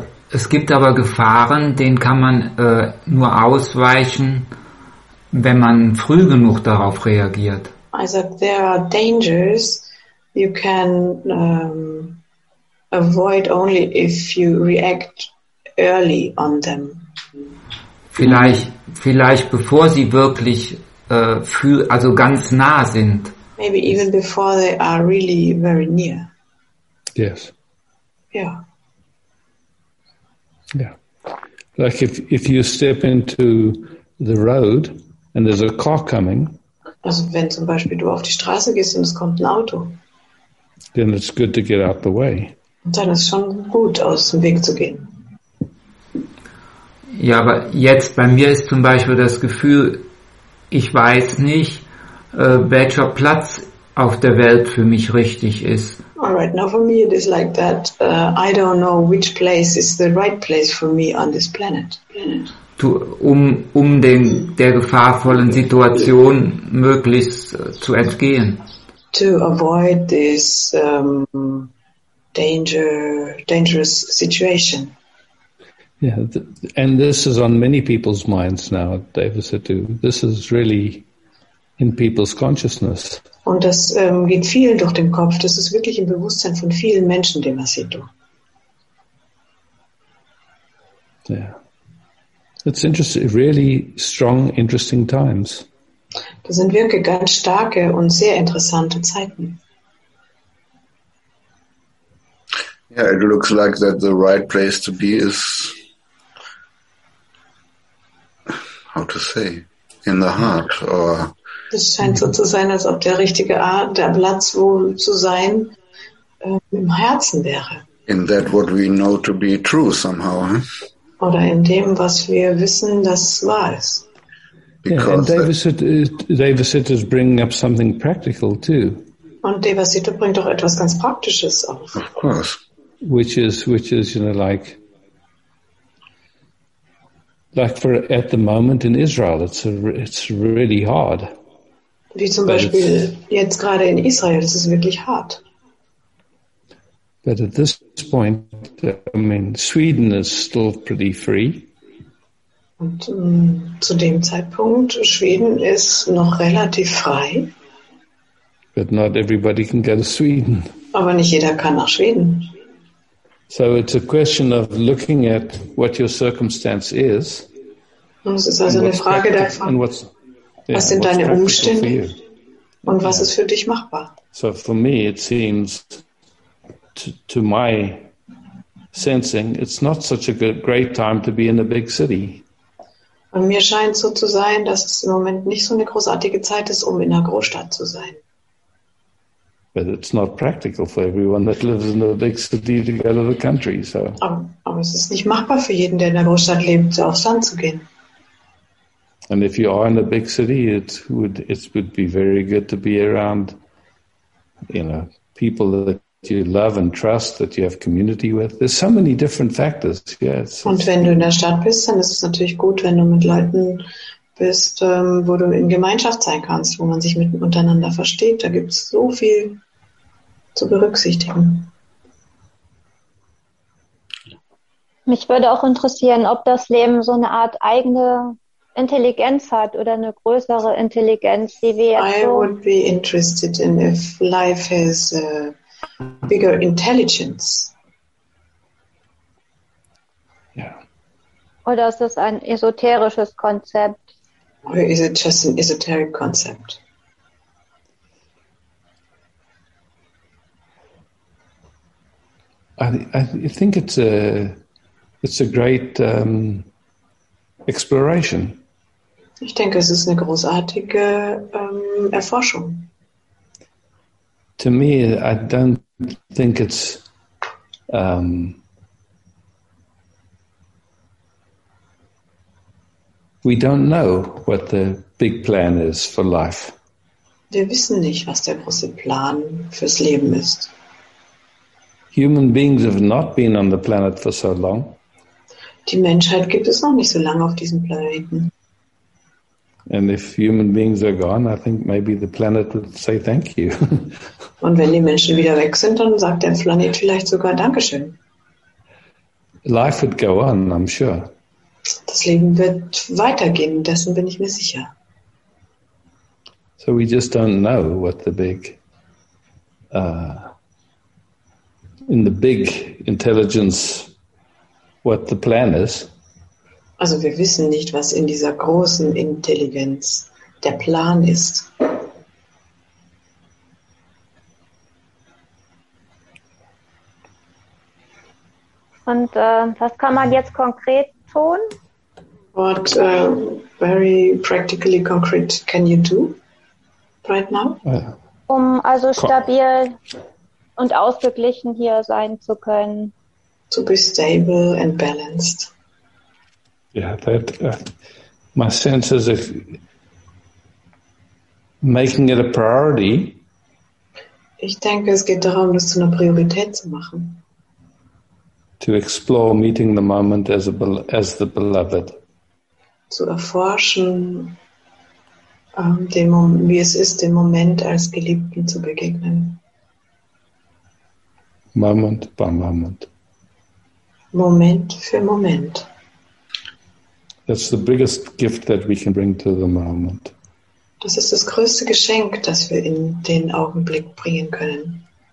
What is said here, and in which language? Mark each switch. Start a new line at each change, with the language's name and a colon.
German: Es gibt aber Gefahren, denen kann man nur ausweichen, wenn man früh genug darauf reagiert.
English: Also there are dangers you can avoid only if you react early on them.
German: Vielleicht bevor sie wirklich also ganz nah sind.
English: Maybe even before they are really very near. Yes. Yeah. Yeah, like if you step into the road and there's a car coming.
German: Also wenn zum Beispiel du auf die Straße gehst und es kommt ein Auto.
English: Then it's good to get out the way.
German: Dann ist schon gut, aus dem Weg zu gehen. Ja, aber jetzt bei mir ist zum Beispiel das Gefühl, ich weiß nicht, welcher Platz auf der Welt für mich richtig ist.
English: Alright, now for me it is like that. I don't know which place is the right place for me on this planet.
German: Um den der gefahrvollen Situation möglichst zu entgehen.
English: To avoid this dangerous situation. Yeah, and this is on many people's minds now, David said too. This is really in people's consciousness.
German: Und das geht vielen durch den Kopf. Das ist wirklich im Bewusstsein von vielen Menschen, dem Asito.
English: Ja. Yeah. It's interesting, really strong, interesting times.
German: Das sind wirklich ganz starke und sehr interessante Zeiten.
English: Yeah, it looks like that the right place to be is, how to say, in the heart or.
German: Es scheint so zu sein, als ob der richtige Art, der Platz, wo zu sein, im Herzen wäre.
English: In that what we know to be true somehow. Huh?
German: Oder in dem, was wir wissen, das wahr ist.
English: Yeah, and Devasit is bringing up something practical too.
German: Und Devasit bringt doch etwas ganz Praktisches auf.
English: Of course. Which is you know, like for at the moment in Israel, it's really hard.
German: Wie zum Beispiel jetzt gerade in Israel, das ist wirklich hart.
English: But at this point, I mean, Sweden is still pretty free.
German: Und zu dem Zeitpunkt, Schweden ist noch relativ frei.
English: But not everybody can go to Sweden.
German: Aber nicht jeder kann nach Schweden.
English: So it's a question of looking at what your circumstance is.
German: Und es ist also eine Frage davon. Was sind deine Umstände? Und was ist für dich machbar?
English: So for me it seems to my sensing it's not such a great time to be in a big city.
German: Und mir scheint so zu sein, dass es im Moment nicht so eine großartige Zeit ist, um in einer Großstadt zu sein.
English: But it's not practical for everyone that lives in a big city to go to the country, so.
German: Aber es ist nicht machbar für jeden, der in der Großstadt lebt, aufs Land zu gehen.
English: And if you are in a big city, it would be very good to be around, you know, people that you love and trust, that you have community with. There's so many different factors. Yes.
German: Und wenn du in der Stadt bist, dann ist es natürlich gut, wenn du mit Leuten bist, wo du in Gemeinschaft sein kannst, wo man sich miteinander versteht. Da gibt es so viel zu berücksichtigen. Mich würde auch interessieren, ob das Leben so eine Art eigene Intelligenz hat oder eine größere Intelligenz, die wir jetzt
English: I so would be interested in if life has a bigger intelligence. Yeah.
German: Oder ist das ein esoterisches Konzept?
English: Or is it just an esoteric concept? I think it's a great exploration.
German: Ich denke, es ist eine großartige Erforschung.
English: To me, I don't think it's we don't know what the big plan is for life.
German: Wir wissen nicht, was der große Plan fürs Leben ist.
English: Human beings have not been on the planet for so long.
German: Die Menschheit gibt es noch nicht so lange auf diesem Planeten.
English: And if human beings are gone, I think maybe the planet would say thank you.
German: Und wenn die Menschen wieder weg sind, dann sagt der Planet vielleicht sogar Dankeschön.
English: Life would go on, I'm sure.
German: Das Leben wird weitergehen, dessen bin ich mir sicher.
English: So we just don't know what the big in the big intelligence what the plan is.
German: Also wir wissen nicht, was in dieser großen Intelligenz der Plan ist. Und was kann man jetzt konkret tun?
English: What very practically concrete can you do right now?
German: Um also stabil und ausgeglichen hier sein zu können.
English: To be stable and balanced. Yeah, that my sense is if making it a priority.
German: Ich denke, es geht darum, das zu einer Priorität zu machen.
English: To explore meeting the moment as the beloved.
German: Zu erforschen, wie es ist, dem Moment als Geliebten zu begegnen.
English: Moment by moment.
German: Moment für Moment.
English: That's the biggest gift that we can bring to the moment.
German: Das ist das größte Geschenk, das wir in den Augenblick bringen können.